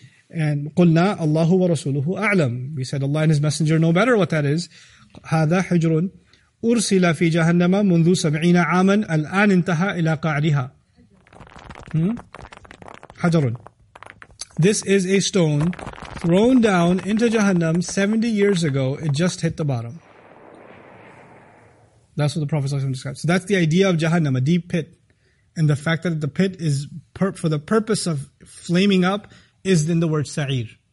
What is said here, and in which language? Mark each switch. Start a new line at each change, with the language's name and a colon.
Arabic: And قلنا الله ورسوله أعلم.
English: We said Allah and His Messenger know better what that is.
Arabic: هذا حجر أرسل في جهنم منذ 70 عاما الآن انتهى إلى قعرها. حجر.
English: This is a stone thrown down into Jahannam 70 years ago. It just hit the bottom. That's what the Prophet ﷺ described. So that's the idea of Jahannam, a deep pit. And the fact that the pit is for the purpose of flaming up is in the word sa'ir.